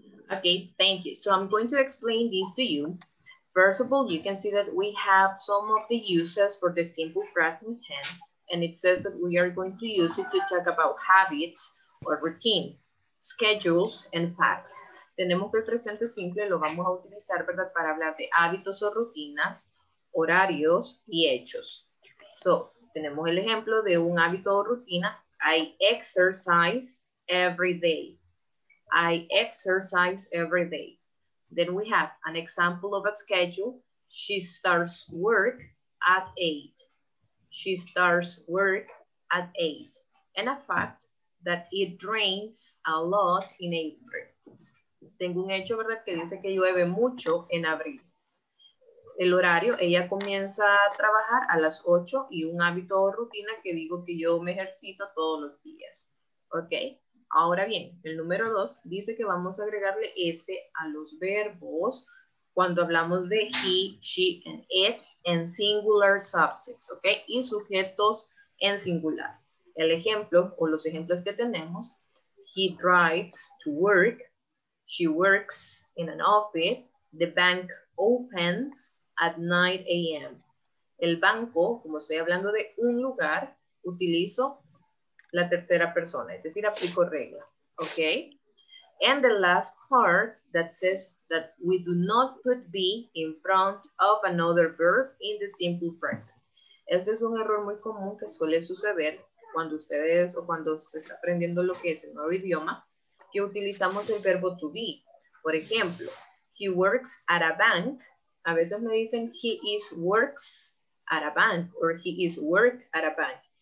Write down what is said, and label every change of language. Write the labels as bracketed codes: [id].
[en] Okay, thank you. So I'm going to explain these to you. First of all, you can see that we have some of the uses for the simple present tense, and it says that we are going to use it to talk about habits or routines, schedules, and facts. [es] Tenemos que el presente simple lo vamos a utilizar, ¿verdad?, para hablar de hábitos o rutinas, horarios y hechos. So, tenemos el ejemplo de un hábito o rutina. [en] I exercise every day. I exercise every day. Then we have an example of a schedule. She starts work at 8. She starts work at 8. And a fact that it rains a lot in April. [es] Tengo un hecho, ¿verdad?, que dice que llueve mucho en abril. El horario, ella comienza a trabajar a las 8 y un hábito o rutina que digo que yo me ejercito todos los días. ¿Ok? Ahora bien, el número 2 dice que vamos a agregarle S a los verbos cuando hablamos de [en] he, she, and it [es] en [en] singular subjects. [es] ¿Ok? Y sujetos en singular. El ejemplo o los ejemplos que tenemos, [en] he drives to work. She works in an office. The bank opens at 9 a.m. [es] El banco, como estoy hablando de un lugar, utilizo la tercera persona, es decir, aplico regla. Okay? [en] And the last part that says that we do not put be in front of another verb in the simple present. [es] Este es un error muy común que suele suceder cuando ustedes o cuando se está aprendiendo lo que es el nuevo idioma, que utilizamos el verbo to be. Por ejemplo, [en] he works at a bank. [es] A veces me dicen [en] he is works at a bank or he is work at a bank.